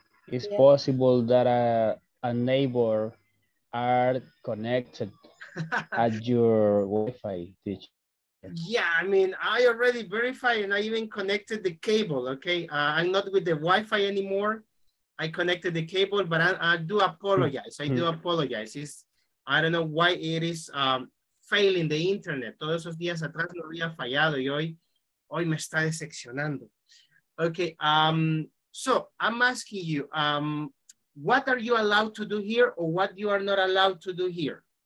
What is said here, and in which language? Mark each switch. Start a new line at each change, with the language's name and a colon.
English: It's possible that a neighbor are connected at your Wi-Fi, teacher. Yeah, I mean, I already verified and I even connected the cable, okay? I'm not with the Wi-Fi anymore. I connected the cable, but I do apologize. I do apologize. I don't know why it is failing the internet.
Spanish: Todos esos días atrás no había fallado y hoy me está decepcionando.
English: Okay. So I'm asking you, what are you allowed to do here or what you are not allowed to do here?